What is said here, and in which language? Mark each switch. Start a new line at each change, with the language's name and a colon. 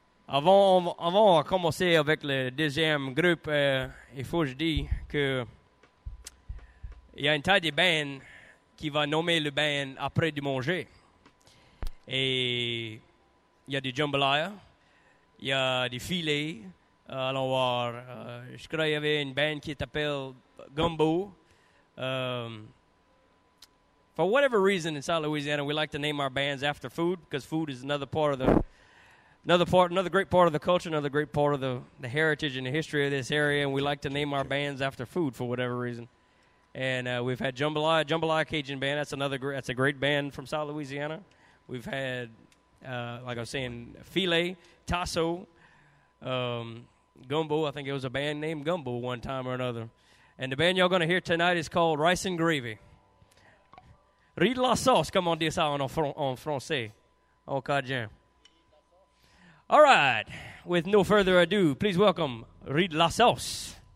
French: Avant de commencer avec le deuxième groupe, il faut que je dise que il y a une tas de bandes qui va nommer le band après du manger. Et il y a du jambalaya, il y a du filet. Allons voir. Je crois qu'il y avait une band qui s'appelle Gumbo.
English: For whatever reason in South Louisiana, we like to name our bands after food because food is another part of the. Another great part of the culture, another great part of the heritage and the history of this area, and we like to name our bands after food for whatever reason. And we've had Jambalaya Cajun Band. That's a great band from South Louisiana. We've had, like I was saying, Filet, Tasso, Gumbo. I think it was a band named Gumbo one time or another. And the band y'all going to hear tonight is called Rice and Gravy.
French: Rite la sauce, comme on dit ça en français. En cajun.
English: All right, with no further ado, please welcome Rite la sauce.